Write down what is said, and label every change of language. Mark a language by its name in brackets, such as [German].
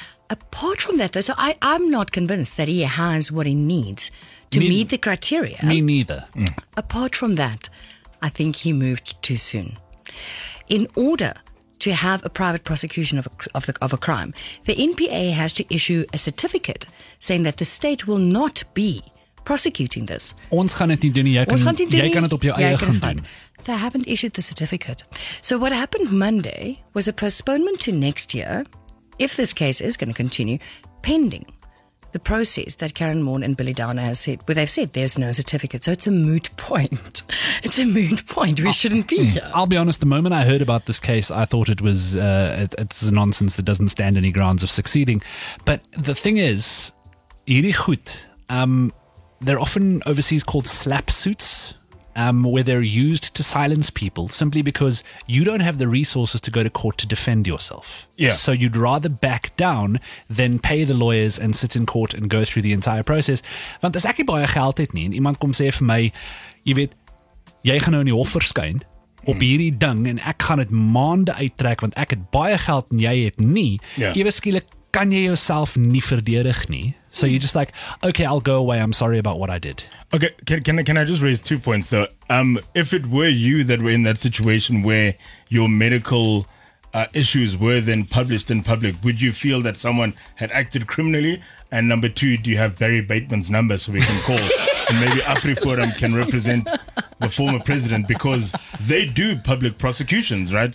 [English] Apart from that, though, so I'm not convinced that he has what he needs to meet the criteria. Me neither. Mm. Apart from that, I think he moved too soon. In order to have a private prosecution of a crime, the NPA has to issue a certificate saying that the state will not be prosecuting this. [Afrikaans] Ons gaan dit nie doen nie. Jy kan dit op jou eie gaan doen. [English] They haven't issued the certificate. So what happened Monday was a postponement to next year, if this case is going to continue, pending the process that Karen Maughan and Billy Downer have said, where they've said there's no certificate. So it's a moot point. It's a moot point. We shouldn't be here. I'll be honest, the moment I heard about this case, I thought it was it's nonsense that doesn't stand any grounds of succeeding. But the thing is, [Afrikaans] hierdie goed, [English] they're often overseas called slap suits, where they're used to silence people simply because you don't have the resources to go to court to defend yourself. Yeah. So you'd rather back down than pay the lawyers and sit in court and go through the entire process. [Afrikaans] Want as ek nie baie geld het nie, en iemand kom sê vir my, jy weet, jy gaan nou in die hof verskyn op hierdie ding en ek gaan dit maande uittrek want ek het baie geld en jy het nie. Ewe skielik kan jy jouself nie verdedig nie. [English] So you're just like, okay, I'll go away. I'm sorry about what I did. Okay, can I just raise 2 points, though? If it were you that were in that situation where your medical issues were then published in public, would you feel that someone had acted criminally? And number two, do you have Barry Bateman's number so we can call? And maybe AfriForum can represent the former president because they do public prosecutions, right?